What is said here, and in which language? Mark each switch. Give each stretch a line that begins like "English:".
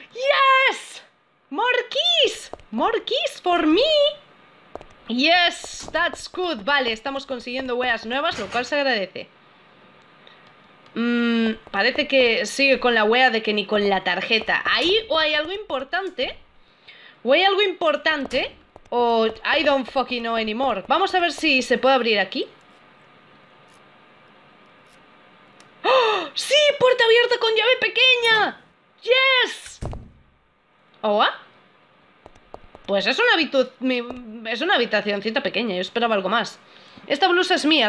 English: ¡Yes! ¡More keys! ¡More keys for me! ¡Yes! ¡That's good!
Spanish: Vale, estamos consiguiendo weas nuevas, lo cual se agradece. Parece que sigue con la wea de que ni con la tarjeta. Ahí o hay algo importante. O hay algo importante.
English: O I don't fucking know anymore.
Spanish: Vamos a ver si se puede abrir aquí. ¡Oh! ¡Sí! ¡Puerta abierta con llave pequeña! ¡Yes! ¿Oa? Pues es una es una habitacioncita pequeña. Yo esperaba algo más. Esta blusa es mía.